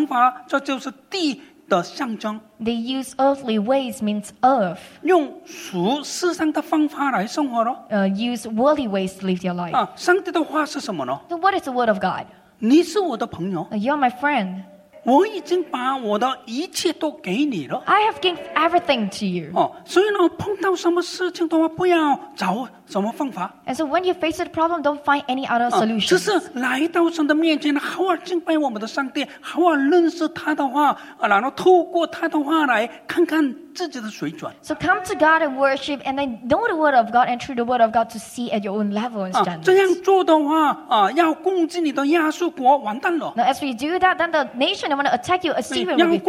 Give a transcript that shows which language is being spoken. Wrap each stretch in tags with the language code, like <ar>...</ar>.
<zh>用俗世上的想法这就是地的象征</zh> <en>They use earthly ways means earth</en> <zh>用俗世上的方法来生活了</zh> <en>Use worldly ways to live their life</en> <zh>上帝的话是什么呢</zh> <en>So what is the word of God?</en> <zh>你是我的朋友</zh> <en>You're my friend</en> <zh>我已经把我的一切都给你了</zh> <en>I have given everything to you</en> <zh>所以呢碰到什么事情的话不要找什么方法</zh> <en>And so when you face the problem don't find any other solution</en> <zh>只是来到神的面前好好敬拜我们的上帝好好认识他的话然后透过他的话来看看</zh> <en>So come to God and worship and then know the word of God and through the word of God to see at your own level and standards.</en> <zh>这样做的话, 要攻击你的亚述国, 完蛋了。</zh> <en>Now, as we do that, then the nation that want to attack you, Assyria will be finished.</en>